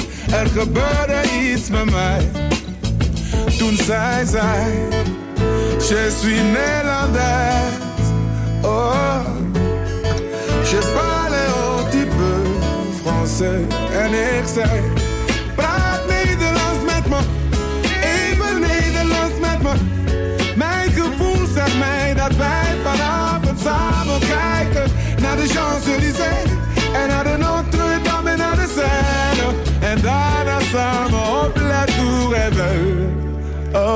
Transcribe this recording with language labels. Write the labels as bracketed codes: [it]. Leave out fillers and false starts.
[nl] Er gebeurde iets met mij. Toen zij zei [fr] je suis Nederlands. Oh, je parle un petit peu français. [nl] En ik zei praat Nederlands met me. Even Nederlands met me. Mijn gevoel zegt mij dat wij vanavond samen kijken naar de Champs-Élysées. En naar de Notre-Dame en naar de Seine. En daar samen op La Tour Eiffel.